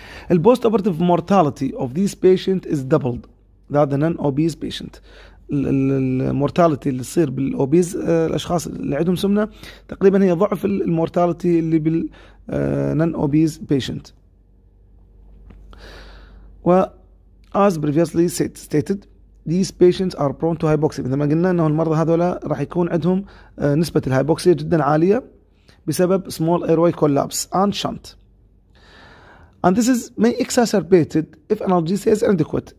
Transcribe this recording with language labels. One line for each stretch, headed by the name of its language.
English: The post-operative mortality of these patients is doubled than the non-obese patient.
Arabic: المورتاليتي اللي تصير بالأوبيز الأشخاص اللي عندهم سمنة تقريبا هي ضعف المورتاليتي اللي بالنون-obese patient.
English: وAs previously stated, these patients are prone to hypoxia.
Arabic: مثل ما قلنا أنه المرضى هذولا راح يكون عندهم نسبة الهايبوكسيا جدا عالية بسبب
English: small airway collapse and shunt. And this is may exacerbated if analgesia is inadequate.